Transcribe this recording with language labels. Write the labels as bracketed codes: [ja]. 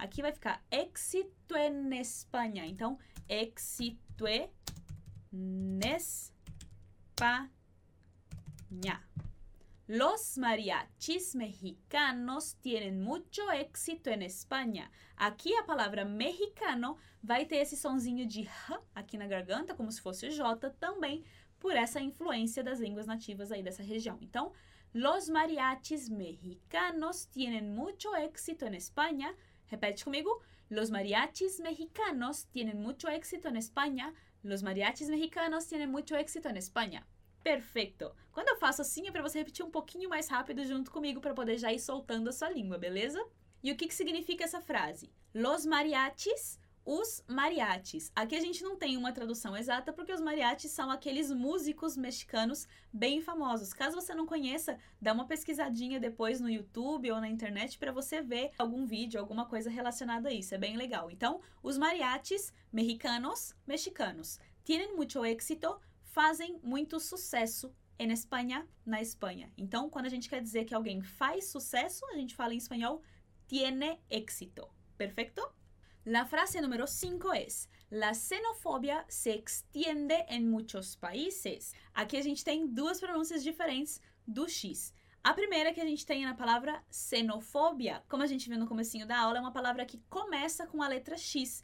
[es] Aquí va a ficar éxito en España. [pt] Então, [es] éxito en España. Los mariachis mexicanos tienen mucho éxito en España. [pt] Aqui a palavra mexicano vai ter esse sonzinho de H aqui na garganta, como se fosse o J, também por essa influência das línguas nativas aí dessa região. Então, [es] los mariachis mexicanos tienen mucho éxito en España. [pt] Repete comigo. [es] Los mariachis mexicanos tienen mucho éxito en España. Los mariachis mexicanos tienen mucho éxito en España. [pt] Perfeito. Quando eu faço assim é para você repetir um pouquinho mais rápido junto comigo para poder já ir soltando a sua língua, beleza? E o que, que significa essa frase? [es] Los mariachis, [pt] os mariachis. Aqui a gente não tem uma tradução exata porque os mariachis são aqueles músicos mexicanos bem famosos. Caso você não conheça, dá uma pesquisadinha depois no YouTube ou na internet para você ver algum vídeo, alguma coisa relacionada a isso. É bem legal. Então, os mariachis mexicanos. [es] Tienen mucho éxito. [pt] Fazem muito sucesso em Espanha, na Espanha. Então, quando a gente quer dizer que alguém faz sucesso, a gente fala em espanhol, [es] tiene éxito. [pt] Perfeito? [es] La frase número 5 es, la xenofobia se extiende en muchos países. [pt] Aqui a gente tem duas pronúncias diferentes do X. A primeira que a gente tem é na palavra xenofobia. Como a gente viu no comecinho da aula, é uma palavra que começa com a letra X.